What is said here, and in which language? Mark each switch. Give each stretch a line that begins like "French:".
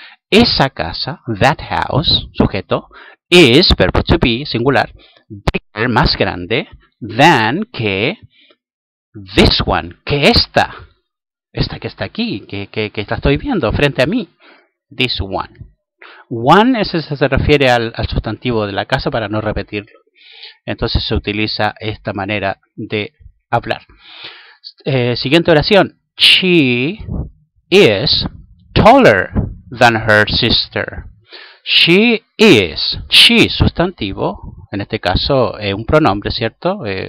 Spanish: Esa casa, that house, sujeto, is, verbo to be, singular, bigger, más grande, than, que, this one, que esta. Esta que está aquí, que la estoy viendo frente a mí.
English: This one.
Spanish: One, ese se refiere al sustantivo de la casa para no repetirlo. Entonces se utiliza esta manera de hablar. Siguiente oración.
English: She is taller than her sister. She is. She, sustantivo.
Spanish: En este caso, un pronombre, ¿cierto?